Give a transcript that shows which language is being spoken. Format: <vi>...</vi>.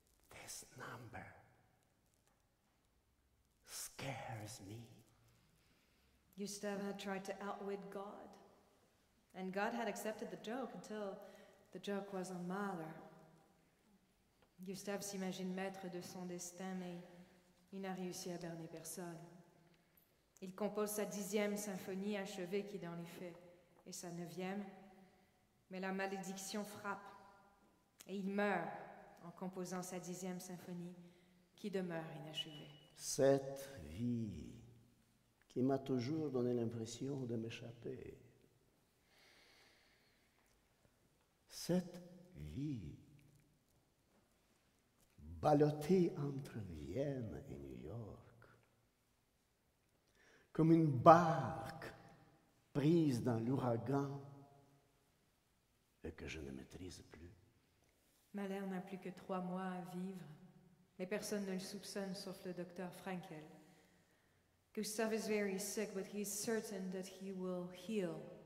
<en>This number scares me. Gustave had tried to outwit God, and God had accepted the joke until the joke was on Mahler.</en> <fr>Gustave s'imagine maître de son destin, mais il n'a réussi à berner personne. Il compose sa 10e symphonie achevée qui, dans les faits, est sa 9e. Mais la malédiction frappe et il meurt en composant sa 10e symphonie qui demeure inachevée. Cette vie qui m'a toujours donné l'impression de m'échapper. Cette vie ballottée entre Vienne et New York, comme une barque prise dans l'ouragan et que je ne maîtrise plus. Mahler n'a plus que 3 mois à vivre, mais personne ne le soupçonne sauf le docteur Frankel.</fr> <en>Gustav is very sick, but he is certain that he will heal.</en>